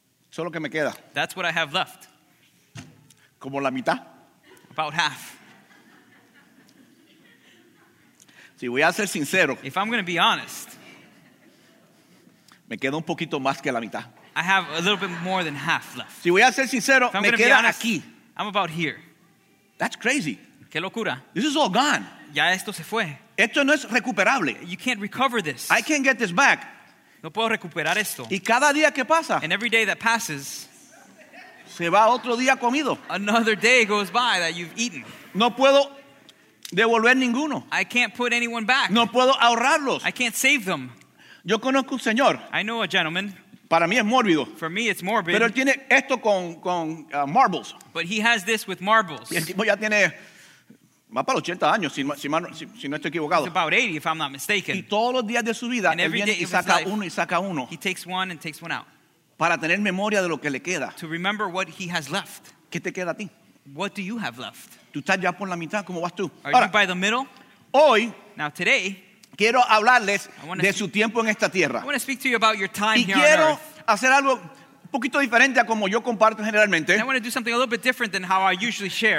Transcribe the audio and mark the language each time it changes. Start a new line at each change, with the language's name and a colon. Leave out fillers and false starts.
Spanish: Solo que me queda.
English: That's what I have left.
Spanish: Como la mitad.
English: About half.
Spanish: Si voy a ser sincero.
English: If I'm going to be honest.
Spanish: Me queda un poquito más que la mitad.
English: I have a little bit more than half left.
Spanish: Si voy a ser sincero, me queda
English: honest,
Spanish: aquí.
English: I'm about here. That's crazy.
Spanish: Qué locura.
English: This is all gone.
Spanish: Ya esto se fue. Esto no es recuperable.
English: You can't recover this. I can't get this back.
Spanish: No puedo recuperar esto. Y cada día que pasa,
English: and every day that passes,
Spanish: se va otro día comido.
English: Another day goes by that you've eaten.
Spanish: No puedo devolver ninguno.
English: I can't put anyone back.
Spanish: No puedo ahorrarlos.
English: I can't save them.
Spanish: Yo conozco un señor.
English: I know a gentleman.
Spanish: Para mí es mórbido.
English: For me it's morbid.
Spanish: Pero él tiene esto con marbles.
English: But he has this with marbles.
Spanish: Y el tipo ya tiene más para los 80 años, si no estoy equivocado.
English: It's about 80, if I'm not mistaken.
Spanish: Y todos los días de su vida, él viene y saca
English: life,
Spanish: uno y saca uno.
English: He takes one and takes one out.
Spanish: Para tener memoria de lo que le queda.
English: To remember what he has left.
Spanish: ¿Qué te queda a ti?
English: What do you have left?
Spanish: ¿Tú estás ya por la mitad? ¿Cómo vas tú?
English: Are
Spanish: ahora,
English: you by the middle?
Spanish: Hoy,
English: now today,
Spanish: quiero hablarles de su tiempo en esta tierra.
English: I want to speak to you about your time
Spanish: y
English: here
Spanish: quiero
English: on earth.
Spanish: Hacer algo un poquito diferente a como yo comparto generalmente.
English: I want to do something a little bit different than how I usually share.